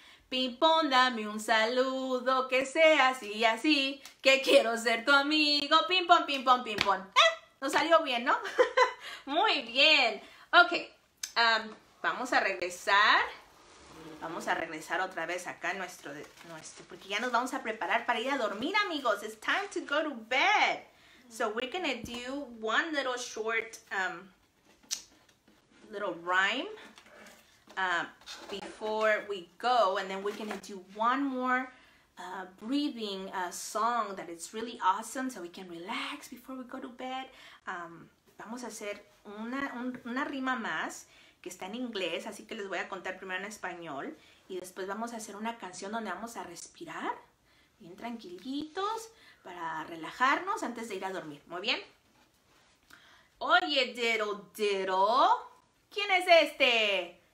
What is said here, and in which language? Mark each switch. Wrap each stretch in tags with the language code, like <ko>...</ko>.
<es>Pimpón, dame un saludo, que sea así y así, que quiero ser tu amigo, Pimpón, Pimpón, Pimpón. Nos salió bien, ¿no? Muy bien. Ok, vamos a regresar. Vamos a regresar otra vez acá nuestro, porque ya nos vamos a preparar para ir a dormir, amigos.</es> <en>It's time to go to bed. So we're gonna do one little short little rhyme before we go, and then we're gonna do one more breathing song that is really awesome, so we can relax before we go to bed.</en> <es>Vamos a hacer una rima más, que está en inglés, así que les voy a contar primero en español y después vamos a hacer una canción donde vamos a respirar bien tranquilitos para relajarnos antes de ir a dormir. ¿Muy bien? Oye, diddle, diddle, ¿quién es este?</es>